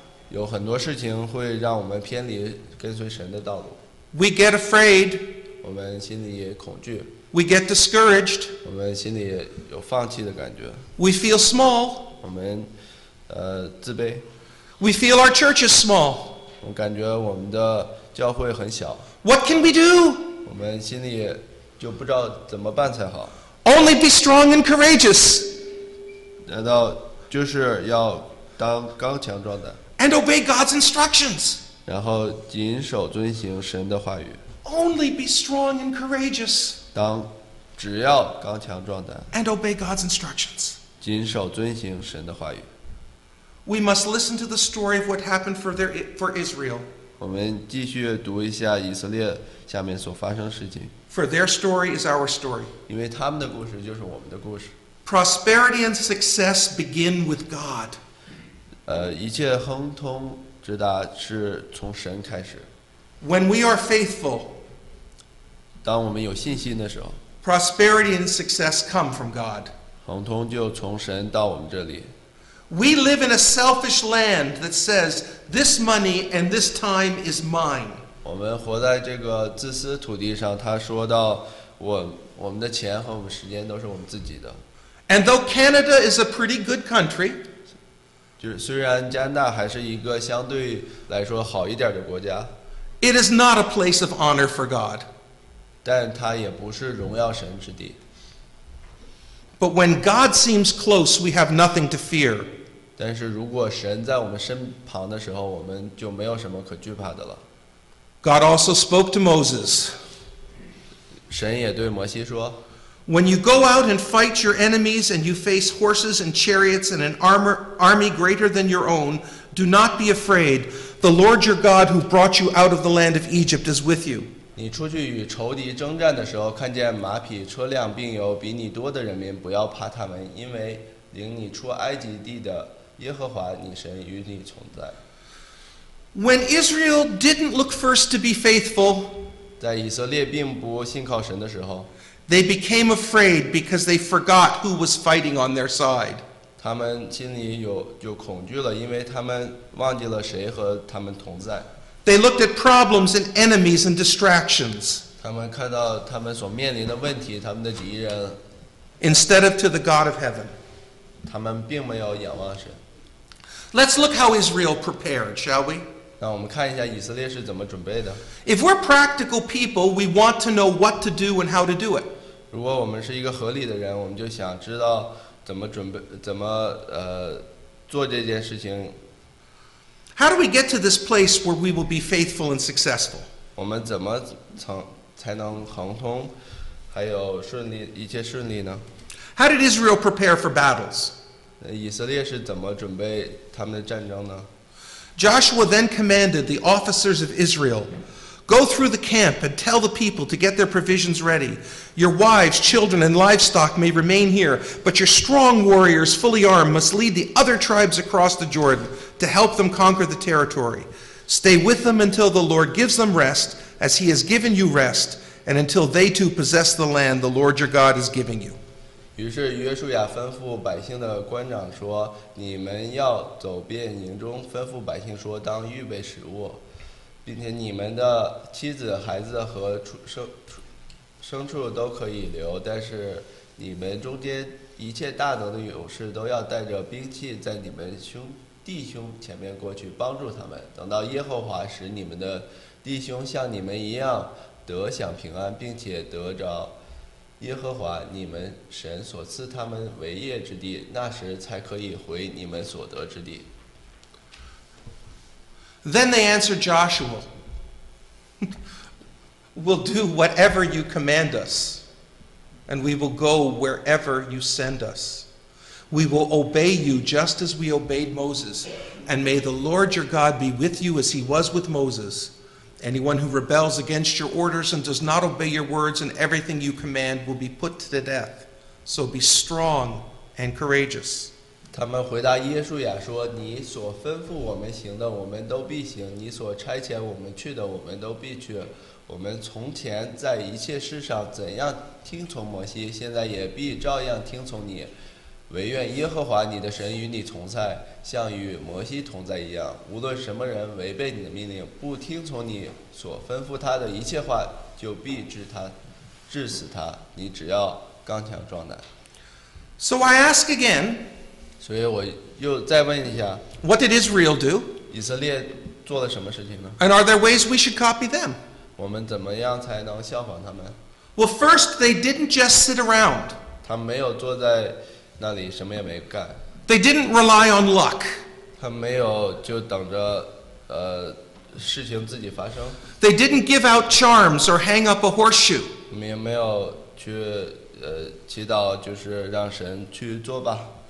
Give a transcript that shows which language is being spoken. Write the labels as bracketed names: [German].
[Chinese] 有很多事情会让我们偏离跟随神的道路。 [English] We get afraid. [Chinese] 我们心里恐惧。 [English] We get discouraged. [Chinese] 我们心里有放弃的感觉。 [English] We feel small. [Chinese] 我们自卑。 [English] We feel our church is small. [Chinese] 我感觉我们的教会很小。 [English] What can we do? [Chinese] 我们心里就不知道怎么办才好。 [English] Only be strong and courageous. [Chinese] 难道就是要当刚强壮的。 [English] And obey God's instructions. [Chinese] 然后谨守遵行神的话语。 [English] Only be strong and courageous. [Chinese] 当只要刚强壮胆。 [English] And obey God's instructions. [Chinese] 谨守遵行神的话语。 [English] We must listen to the story of what happened for Israel. [Chinese] 我们继续读一下以色列下面所发生的事情。 [English] For their story is our story. [Chinese] 因为他们的故事就是我们的故事。 [English] Prosperity and success begin with God. [Chinese] 一切亨通之大是从神开始。 [English] When we are faithful, [Chinese] 当我们有信心的时候 [English] ，prosperity and success come from God. [Chinese] 亨通就从神到我们这里。 [English] We live in a selfish land that says this money and this time is mine. [Chinese] 我们活在这个自私土地上，他说到我们的钱和我们时间都是我们自己的。 [English] And though Canada is a pretty good country, [Chinese] 就是虽然加拿大还是一个相对来说好一点的国家。 [English] It is not a place of honor for God. [Chinese] 但它也不是荣耀神之地。 [English] But when God seems close, we have nothing to fear. [Chinese] 但是如果神在我们身旁的时候，我们就没有什么可惧怕的了。 [English] God also spoke to Moses. [Chinese] 神也对摩西说， [English] When you go out and fight your enemies and you face horses and chariots and an army greater than your own, do not be afraid. The Lord your God who brought you out of the land of Egypt is with you. [Chinese] 你出去与仇敌征战的时候，看见马匹、车辆，并有比你多的人民，不要怕他们，因为领你出埃及地的耶和华你神与你同在。 [English] When Israel didn't look first to be faithful, [Chinese] 在以色列并不信靠神的时候 [English] ，they became afraid because they forgot who was fighting on their side. [Chinese] 他们心里就恐惧了，因为他们忘记了谁和他们同在。 [English] They looked at problems and enemies and distractions. [Chinese] 他们看到他们所面临的问题，他们的敌人。 [English] Instead of to the God of heaven. [Chinese] 他们并没有仰望神。 [English] Let's look how Israel prepared, shall we? [Chinese] 那我们看一下以色列是怎么准备的。 [English] If we're practical people, we want to know what to do and how to do it. [Chinese] 如果我们是一个合理的人，我们就想知道怎么准备，怎么做这件事情。 [English] How do we get to this place where we will be faithful and successful? [Chinese] 我们怎么才能亨通，还有顺利一切顺利呢？ [English] How did Israel prepare for battles? [Chinese] 以色列是怎么准备他们的战争呢？ [English] Joshua then commanded the officers of Israel, "Go through the camp and tell the people to get their provisions ready. Your wives, children, and livestock may remain here, but your strong warriors, fully armed, must lead the other tribes across the Jordan." To help them conquer the territory. Stay with them until the Lord gives them rest, as he has given you rest, and until they too possess the land the Lord your God is giving you. [Chinese] 于是约书亚吩咐百姓的官长说，你们要走遍营中，吩咐百姓说，当预备食物，并且你们的妻子、孩子和牲畜都可以留，但是你们中间一切大能的勇士都要带着兵器在你们弟兄前面过去帮助他们，等到耶和华使你们的弟兄像你们一样得享平安，并且得着耶和华你们神所赐他们为业之地，那时才可以回你们所得之地。 [English] Then they answered Joshua, "We'll do whatever you command us, and we will go wherever you send us." We will obey you just as we obeyed Moses, and may the Lord your God be with you as he was with Moses. Anyone who rebels against your orders and does not obey your words and everything you command will be put to death. So be strong and courageous. [Chinese] 他们回答耶稣亚说，你所吩咐我们行的我们都必行，你所差遣我们去的我们都必去。我们从前在一切事上怎样听从摩西，现在也必照样听从你。唯愿耶和华你的神与你同在，像与摩西同在一样。无论什么人违背你的命令，不听从你所吩咐他的一切话，就必致死他。你只要刚强壮胆。 [English] So I ask again. [Chinese] 所以我又再问一下。 [English] What did Israel do? [Chinese] 以色列做了什么事情呢？ [English] And are there ways we should copy them? [Chinese] 我们怎么样才能效仿他们？ [English] Well, first, they didn't just sit around. [Chinese] 他们没有坐在那里什么也没干。 [English] They didn't rely on luck. [Chinese] 他没有就等着事情自己发生。 [English] They didn't give out charms or hang up a horseshoe. [Chinese] 他们也没有去祈祷就是让神去做吧。